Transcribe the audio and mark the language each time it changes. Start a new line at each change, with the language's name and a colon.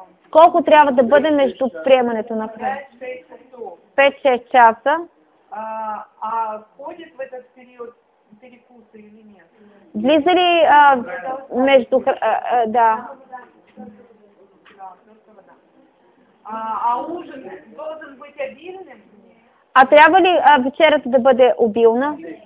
Bulgarian: Колко трябва да бъде между приемането на храна? 5-6 часа.
Russian: А входят в этот период перекусы или нет?
Bulgarian: Влиза ли между... да.
Russian: А ужин должен быть обильным?
Bulgarian: А трябва ли вечерята да бъде обилна?